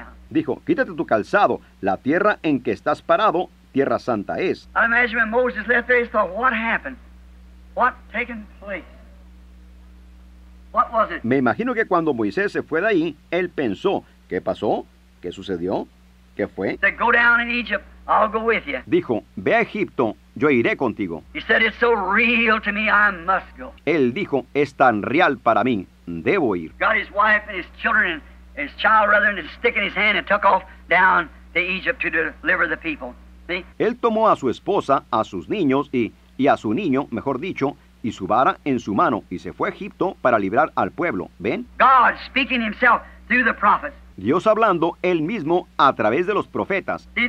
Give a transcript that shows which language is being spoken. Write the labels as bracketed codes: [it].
[es] Dijo, quítate tu calzado, la tierra en que estás parado, tierra santa es. [en] I imagine when Moses left there, he thought, what happened? What taken place? What was it? [es] Me imagino que cuando Moisés se fue de ahí, él pensó, ¿qué pasó? ¿Qué sucedió? ¿Qué fue? [en] He said, go down in Egypt. I'll go with you. [es] Dijo, ve a Egipto, yo iré contigo. [en] He said, it's so real to me, I must go. [es] Él dijo, es tan real para mí, debo ir. [en] Got his wife and his children and his child rather than stick in his hand and took off down to Egypt to deliver the people. See? [es] Él tomó a su esposa, a sus niños y a su niño, mejor dicho, y su vara en su mano y se fue a Egipto para librar al pueblo. ¿Ven? [en] God speaking himself through the prophets. [es] Dios hablando él mismo a través de los profetas.